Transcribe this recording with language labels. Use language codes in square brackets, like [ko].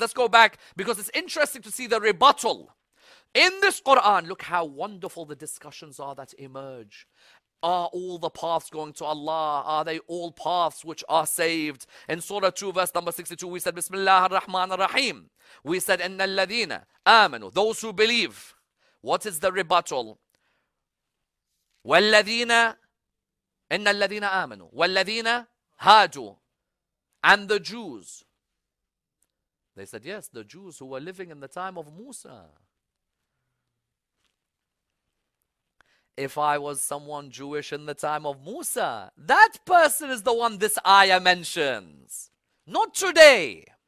[en] Let's go back because it's interesting to see the rebuttal. In this Quran, look how wonderful the discussions are that emerge. Are all the paths going to Allah? Are they all paths which are saved? In Surah 2, verse number 62, we said, [ar] Bismillah ar-Rahman ar-Rahim. [en] We said, [ar] Inna al-ladhina amanu, [en] those who believe. What is the rebuttal? [ar] وَالَّذِينَ إِنَّ الَّذِينَ آمَنُوا وَالَّذِينَ هَادُوا [en] and the Jews. They said, yes, the Jews who were living in the time of Musa. If I was someone Jewish in the time of Musa, that person is the one this ayah mentions. Not today.